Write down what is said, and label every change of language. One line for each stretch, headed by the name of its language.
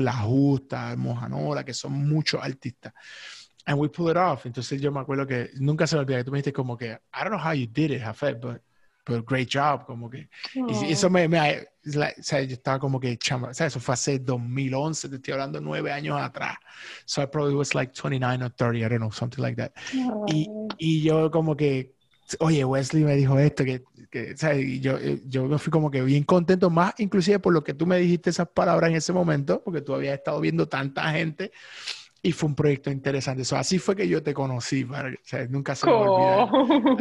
Spanish: La Justa, Mojanola, que son muchos artistas.
English: And we pulled it off.
Spanish: Entonces yo me acuerdo que nunca se me olvida que tú me dijiste como que,
English: I don't know how you did it, Jafet, but great job,
Spanish: como que. Y eso Oh. me like, o sea, yo estaba como que, chamba, o sea, eso fue hace 2011, te estoy hablando 9 años atrás.
English: So I probably was like 29 or 30, I don't know, something like that.
Spanish: Y yo como que, oye, Wesley me dijo esto, que o sea, y yo me fui como que bien contento, más inclusive por lo que tú me dijiste esas palabras en ese momento, porque tú habías estado viendo tanta gente. Y fue un proyecto interesante. Eso, así fue que yo te conocí, ¿vale? O sea, nunca se me va a olvidar.